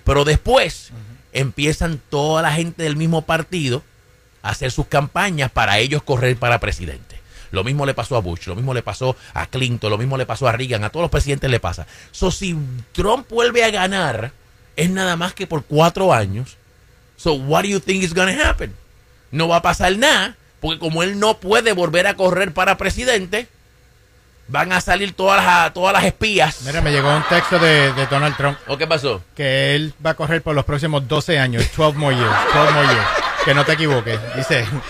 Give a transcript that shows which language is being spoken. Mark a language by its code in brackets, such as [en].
[es] Pero después empiezan toda la gente del mismo partido a hacer sus campañas para ellos correr para presidente. Lo mismo le pasó a Bush, lo mismo le pasó a Clinton, lo mismo le pasó a Reagan, a todos los presidentes le pasa. O sea, si Trump vuelve a ganar, es nada más que por 4 años. [en] So what do you think is going to happen? [es] No va a pasar nada. Porque como él no puede volver a correr para presidente, van a salir todas las espías. Mira, me llegó un texto de Donald Trump. ¿O qué pasó? Que él va a correr por los próximos 12 años. [en] 12 more years. 12 more years. [es] Que no te equivoques. Dice.